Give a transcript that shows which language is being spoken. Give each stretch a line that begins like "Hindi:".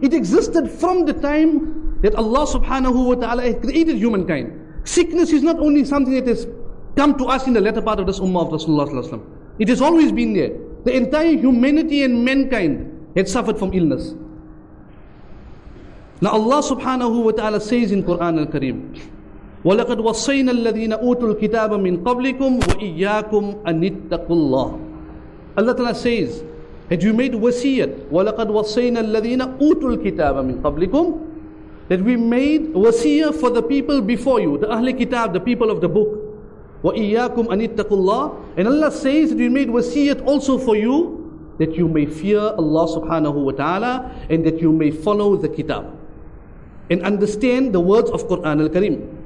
English: It existed from the time that Allah subhanahu wa ta'ala created humankind. Sickness is not only something that has come to us in the latter part of this ummah of Rasulullah. It has always been there. The entire humanity and mankind had suffered from illness. Now Allah subhanahu wa ta'ala says in Quran al-Kareem,
Arabic: وَلَقَدْ وَصَّيْنَا الَّذِينَ أُوتُوا الْكِتَابَ مِنْ قَبْلِكُمْ وَإِيَّاكُمْ أَنِتَّقُوا اللَّهِ.
English: Allah ta'ala says, had you made wasiyat,
Arabic: وَلَقَدْ وَصَّيْنَا الَّذِينَ أُوتُوا الْكِتَابَ مِنْ قَبْلِكُمْ,
English: that we made wasiyah for the people before you, the Ahli Kitab, the people of the book.
Arabic: وَإِيَّاكُمْ أَنِتَّقُوا اللَّهِ.
English: And Allah says that we made wasiyat also for you, that you may fear Allah subhanahu wa ta'ala, and that you may follow the Kitab and understand the words of Quran al-Kareem.